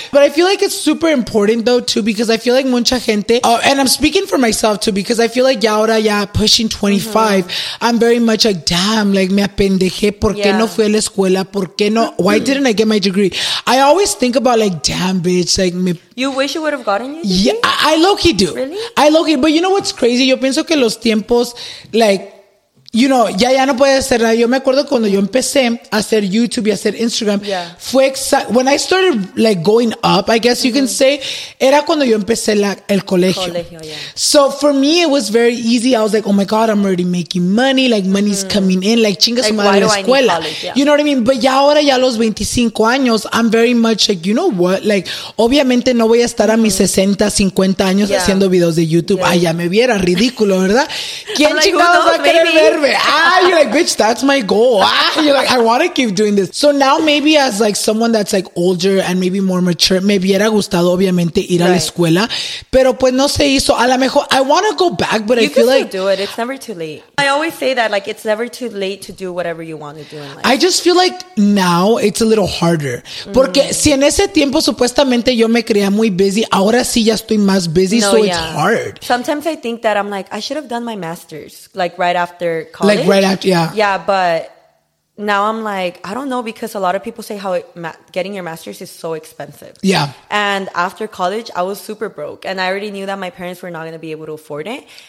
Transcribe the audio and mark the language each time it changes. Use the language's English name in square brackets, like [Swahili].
[English] But I feel like it's super important, though, too, because I feel like [Spanish] mucha gente, [English] and I'm speaking for myself, too, because I feel like ya ahora ya pushing 25, I'm very much like, damn, like, [Spanish] me apendejé, ¿por qué no fui a la escuela? ¿Por qué no? [English] Why didn't I get my degree? I always think about, like, damn, bitch, like, me... You wish you would have gotten your degree? Yeah, I low-key do. Really? I low-key, but you know what's crazy? [Spanish] Yo pienso que los tiempos, like... [English] You know, [Spanish] ya no puede hacer nada. Yo me acuerdo cuando yo empecé a hacer YouTube y a hacer Instagram. [English] Yeah. Fue when I started like going up, I guess you can say, [Spanish] era cuando yo empecé el colegio. [English] Yeah. So for me, it was very easy. I was like, oh my God, I'm already making money. Like money's coming in. Like [Spanish] chinga su madre la escuela. [English] You know what I mean? But [Spanish] ya ahora, ya a los 25 años, [English] I'm very much like, you know what? [Spanish] Like, obviamente no voy a estar a mis 60, 50 años haciendo videos de YouTube. Ay, ya me viera ridículo, ¿verdad? ¿Quién chingados va a querer ver? [English] You're like, bitch, that's my goal. You're like, I want to keep doing this. So now maybe as like someone that's like older and maybe more mature, [Spanish] me hubiera gustado obviamente ir a la escuela, pero pues no se hizo. A lo mejor [English] I want to go back, but you I feel like do it. It's never too late. I always say that, like, it's never too late to do whatever you want to do in life. I just feel like now it's a little harder [Spanish] porque si en ese tiempo supuestamente yo me creía muy busy, ahora sí ya estoy más busy. [English] No, so yeah. It's hard. Sometimes I think that I'm like, I should have done my master's like right after college. Like right after, yeah. Yeah, but now I'm like, I don't know, because a lot of people say how getting your master's is so expensive. Yeah. And after college, I was super broke. And I already knew that my parents were not going to be able to afford it.